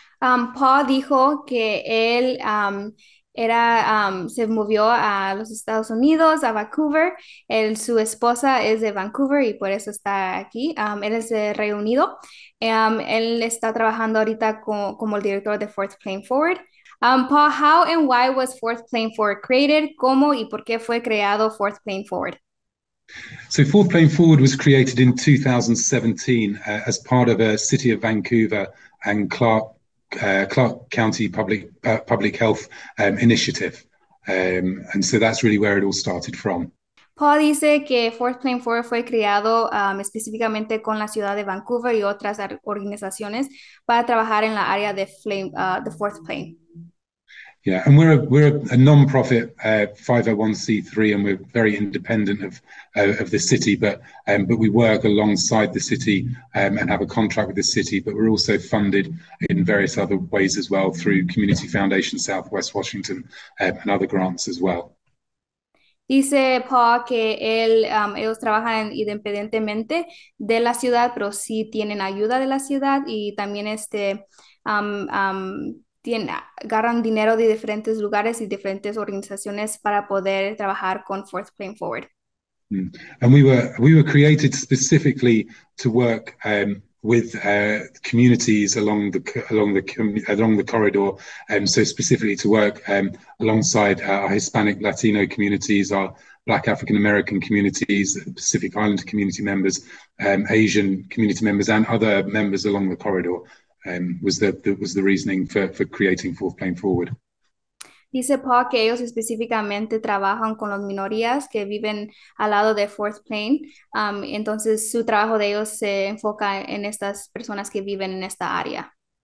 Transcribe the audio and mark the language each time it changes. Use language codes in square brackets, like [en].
[es] Paul dijo que él era se movió a los Estados Unidos, a Vancouver. Él, su esposa es de Vancouver y por eso está aquí. Él es de Reino Unido. Él está trabajando ahorita como el director de Fourth Plane Forward. [en] Paul, how and why was Fourth Plane Forward created? [es] ¿Cómo y por qué fue creado Fourth Plane Forward? [en] So, Fourth Plane Forward was created in 2017 as part of a City of Vancouver and Clark County public health initiative, and so that's really where it all started from. [es] Paul dice que Fourth Plane Forward fue creado específicamente con la ciudad de Vancouver y otras organizaciones para trabajar en la área de the Fourth Plane. [en] Yeah, and we're a non-profit 501c3, and we're very independent of the city, but we work alongside the city and have a contract with the city, but we're also funded in various other ways as well through Community Foundation Southwest Washington and other grants as well. [es] Dice Paul que ellos trabajan independientemente de la ciudad, pero sí tienen ayuda de la ciudad y también agarran dinero de diferentes lugares y diferentes organizaciones para poder trabajar con Fourth Plane Forward. [en] And we were created specifically to work with communities along the corridor, so specifically to work alongside our Hispanic Latino communities, our Black African American communities, Pacific Islander community members, Asian community members, and other members along the corridor, was the reasoning for creating Fourth Plane Forward. [es] Dice Paul que ellos específicamente trabajan con las minorías que viven al lado de Fourth Plain. Entonces, su trabajo de ellos se enfoca en estas personas que viven en esta área.